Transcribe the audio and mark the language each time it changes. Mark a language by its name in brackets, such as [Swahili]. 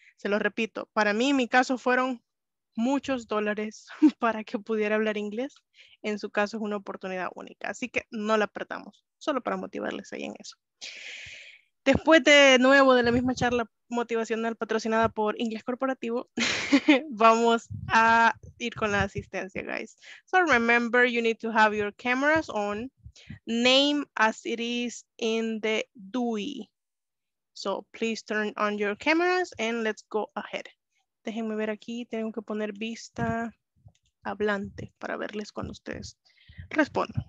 [Spanish] Se lo repito, para mí, en mi caso, fueron muchos dólares para que pudiera hablar inglés. En su caso, es una oportunidad única. Así que no la perdamos, solo para motivarles ahí en eso. Después de nuevo de la misma charla motivacional patrocinada por Inglés Corporativo, vamos a ir con la asistencia, guys. [English] So remember, you need to have your cameras on, name as it is in the DUI. So please turn on your cameras and let's go ahead. [Spanish] Déjenme ver aquí, tengo que poner vista hablante para verles cuando ustedes respondan.